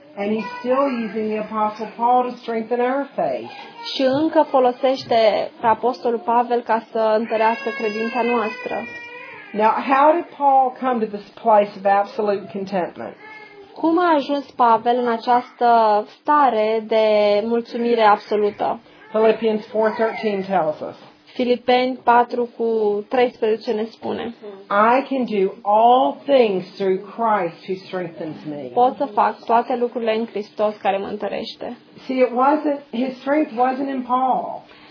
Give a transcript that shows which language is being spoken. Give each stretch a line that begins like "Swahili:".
English: And he's still using the Apostle Paul to strengthen our faith.
Romanian: Și încă folosește pe Apostolul Pavel ca să întărească credința noastră.
English: Now, how did Paul come to this place of absolute contentment?
Romanian: Cum a ajuns Pavel în această stare de mulțumire absolută?
English: Philippians 4:13 tells us.
Romanian: Filipeni 4:13 ne spune.
English: I can do all things through Christ who strengthens me.
Romanian: Pot să fac toate lucrurile în Hristos care mă întărește.
English: See, it wasn't his strength wasn't in Paul.